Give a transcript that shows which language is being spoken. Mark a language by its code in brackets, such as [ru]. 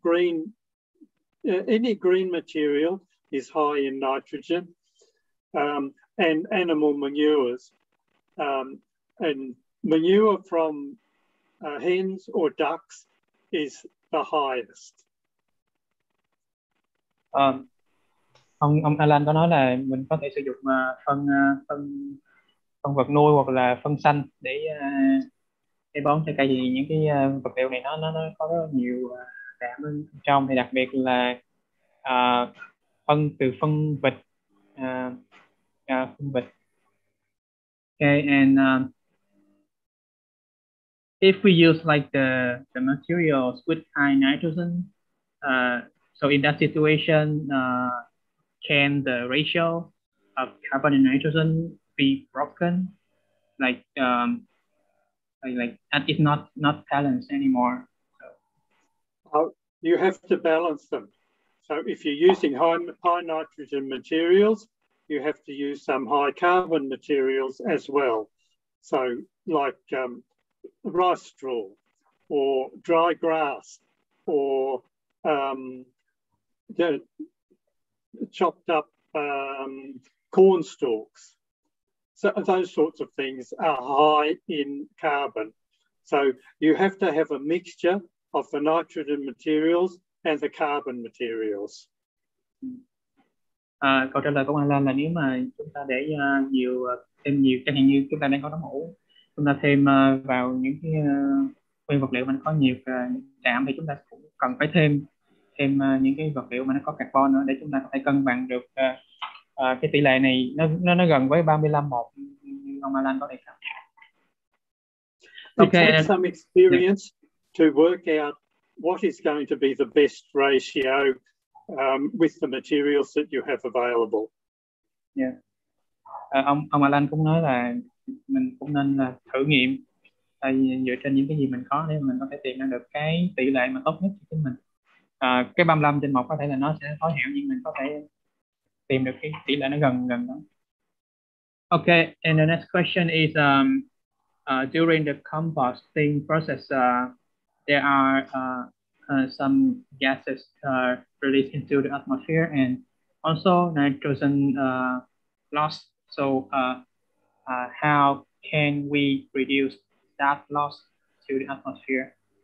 [en] Green, any green material is high in nitrogen, and animal manures. And manure from hens or ducks is the highest. [vi] Ông Alan có nói là mình có thể sử dụng phân phân vật nuôi hoặc là phân xanh để bón cho cây gì những cái vật liệu này nó có rất nhiều đạm trong, thì đặc biệt là phân từ phân vịt phân vịt. [en] Okay, and if we use like the materials with high nitrogen, so in that situation, can the ratio of carbon and nitrogen be broken? Like that is not balanced anymore. So. You have to balance them. So if you're using high nitrogen materials, you have to use some high carbon materials as well. So like rice straw or dry grass or the chopped up corn stalks. So those sorts of things are high in carbon. So you have to have a mixture of the nitrogen materials and the carbon materials. [vi] Câu trả lời của Alan là nếu mà chúng ta để thêm nhiều chẳng hạn như chúng ta đang có nó ngủ, chúng ta thêm vào những cái nguyên vật liệu mà nó có nhiều đạm thì chúng ta cũng cần phải thêm những cái vật liệu mà nó có carbon nữa để chúng ta có thể cân bằng được cái tỷ lệ này nó gần với 35:1 ông Alan có thể cảm. [en] Okay. It takes some experience to work out what is going to be the best ratio with the materials that you have available. Yeah. [vi] Ông Alan cũng nói là mình cũng nên là thử nghiệm dựa trên những cái gì mình có để mình có thể tìm ra được cái tỷ lệ mà tốt nhất cho chính mình. Cái 35:1 có thể là nó sẽ khó hiểu nhưng mình có thể tìm được cái tỷ lệ nó gần đó. [en] Okay, and the next question is during the composting process there are some gases released into the atmosphere and also nitrogen loss. So how can we reduce that loss to the atmosphere?